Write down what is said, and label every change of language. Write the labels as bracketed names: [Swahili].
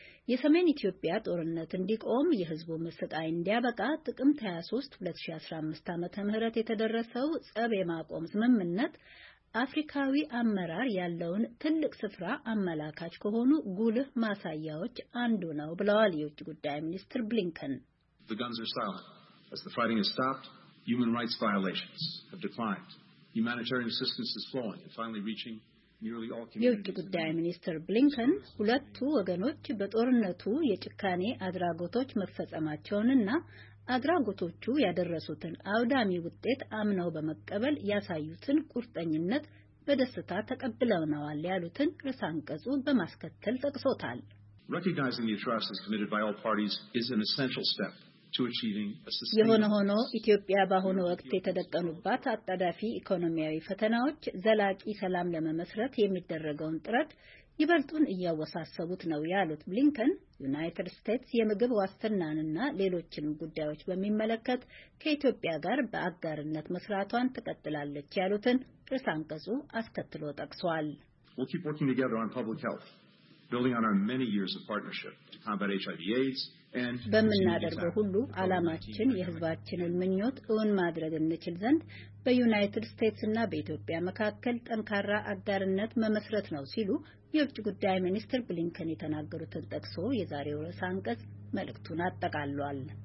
[Amharic] የሰሜን ኢትዮጵያ ጦርነት እንዲቆም የህዝቡ መስጠት እንዲያበቃ ጥቅምት 23 2015 ዓመተ ምህረት የተደረሰው ጸብ የማቆም ስምምነት አፍሪካዊ አመራር ያለውን ትልቅ ስፍራ አመላካች ከሆኑ ጉልህ ማሳያዎች አንዱ ነው ብለዋል የውጭ ጉዳይ ሚኒስትር ብሊንከን። [English] The guns are silent as the fighting has stopped. Human rights violations have declined. Humanitarian assistance is flowing and finally reaching [Amharic] የውጭ ጉዳይ ሚኒስትር ብሊንከን ሁለቱ ወገኖች በጦርነቱ የጭካኔ አድራጎቶች መፈጸማቸውንና አድራጎቶቹ ያደረሱትን አውዳሚ ውጤት አምነው በመቀበል ያሳዩትን ቁርጠኝነት በደስታ ተቀብለውናል ያሉትን ርዕሰ አንቀጹ በማስከተል ጠቅሶታል። [English] Recognizing the atrocities committed by all parties is an essential step. [Amharic] የሆነ ሆኖ ኢትዮጵያ ባሁን ወቅት የተደቀኑባት አጣዳፊ ኢኮኖሚያዊ ፈተናዎች ዘላቂ ሰላም ለመመስረት የሚደረገውን ጥረት ይበልጡን እያወሳሰቡት ነው ያሉት ብሊንከን ዩናይትድ ስቴትስ የምግብ ዋስትናንና ሌሎችን ጉዳዮች በሚመለከት ከኢትዮጵያ ጋር በአጋርነት መስራቷን ተቀጥላለች ያሉትን ርዕሰ አንቀጹ አስከትሎ ጠቅሷል። [English] We'll keep working together on public health. Building on our many years of partnership to combat HIV/AIDS and [Amharic] በመናደርገው ሁሉ አላማችን የህዝባችንን ምኞት እውን ማድረግ እንችል ዘንድ በዩናይትድ ስቴትስና በኢትዮጵያ መካከል ጠንካራ አጋርነት መመስረት ነው ሲሉ የውጭ ጉዳይ ሚኒስትር ብሊንከን የተናገሩትን ጠቅሶ የዛሬው ርዕሰ አንቀጽ መልእክቱን አጠቃልሏል።